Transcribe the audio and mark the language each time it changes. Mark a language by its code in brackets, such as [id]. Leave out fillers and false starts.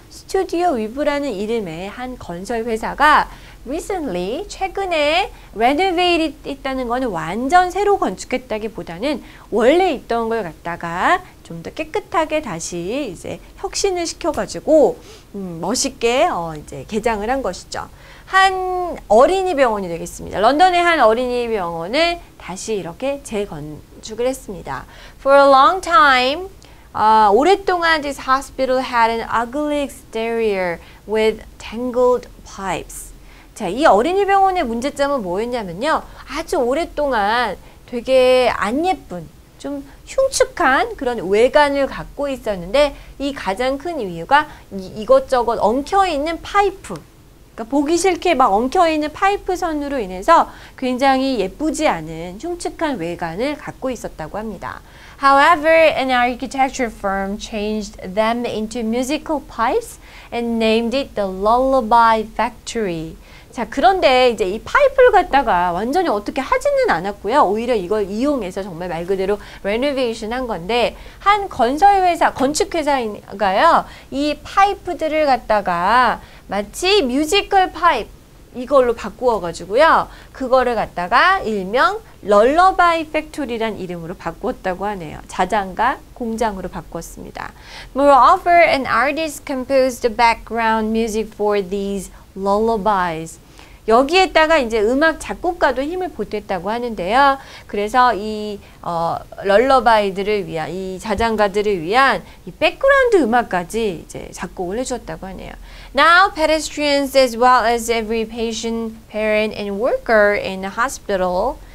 [ko] Studio Weave라는 이름의 한 건설회사가 recently, 최근에 renovated 했다는 건 완전 새로 건축했다기보다는 원래 있던 걸 갖다가 좀 더 깨끗하게 다시 이제 혁신을 시켜가지고 멋있게 이제 개장을 한 것이죠. 한 어린이 병원이 되겠습니다. 런던의 한 어린이 병원을 다시 이렇게 재건축을 했습니다. [en] For a long time, 오랫동안 this hospital had an ugly exterior with tangled pipes. [ko] 자, 이 어린이 병원의 문제점은 뭐였냐면요. 아주 오랫동안 되게 안 예쁜, 좀 흉측한 그런 외관을 갖고 있었는데 이 가장 큰 이유가 이것저것 엉켜있는 파이프, 보기 싫게 막 엉켜있는 파이프 선으로 인해서 굉장히 예쁘지 않은 흉측한 외관을 갖고 있었다고 합니다. [en] However, an architecture firm changed them into musical pipes and named it the Lullaby Factory. [ko] 자, 그런데 이제 이 파이프를 갖다가 완전히 어떻게 하지는 않았고요. 오히려 이걸 이용해서 정말 말 그대로 레노베이션 한 건데 한 건설회사, 건축회사가요. 이 파이프들을 갖다가 마치 뮤지컬 파이프 이걸로 바꾸어가지고요. 그거를 갖다가 일명 럴러바이 팩토리란 이름으로 바꾸었다고 하네요. 자장가 공장으로 바꾸었습니다. [en] Moreover, an artist composed the background music for these lullabies. [ko] 여기에다가 이제 음악 작곡가도 힘을 보탰다고 하는데요. 그래서 이 럴러바이들을 위한 이 자장가들을 위한 이 백그라운드 음악까지 이제 작곡을 해 주었다고 하네요. [en] Now pedestrians as well as every patient, parent and worker in the hospital.